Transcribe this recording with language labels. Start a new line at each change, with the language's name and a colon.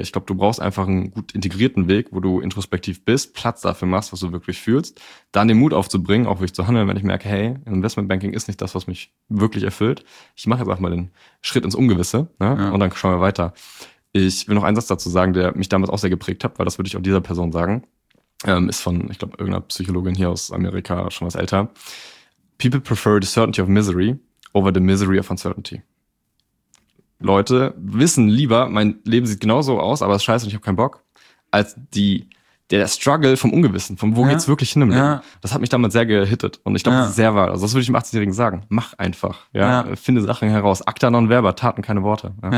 German: Ich glaube, du brauchst einfach einen gut integrierten Weg, wo du introspektiv bist, Platz dafür machst, was du wirklich fühlst, dann den Mut aufzubringen, auch wirklich zu handeln, wenn ich merke, hey, Investmentbanking ist nicht das, was mich wirklich erfüllt. Ich mache jetzt einfach mal den Schritt ins Ungewisse, ne? Ja. Und dann schauen wir weiter. Ich will noch einen Satz dazu sagen, der mich damals auch sehr geprägt hat, weil das würde ich auch dieser Person sagen. Ist von, ich glaube, irgendeiner Psychologin hier aus Amerika, schon was älter.
English: People prefer the certainty of misery over the misery of uncertainty.
German: Leute wissen lieber, mein Leben sieht genauso aus, aber es ist scheiße und ich habe keinen Bock, als der Struggle vom Ungewissen, vom wo geht's wirklich hin im Leben. Das hat mich damals sehr gehittet und ich glaube, das ist sehr wahr. Also das würde ich dem 18-Jährigen sagen. Mach einfach. Ja? Finde Sachen heraus.
Latin: Acta non verba,
German: Taten keine Worte.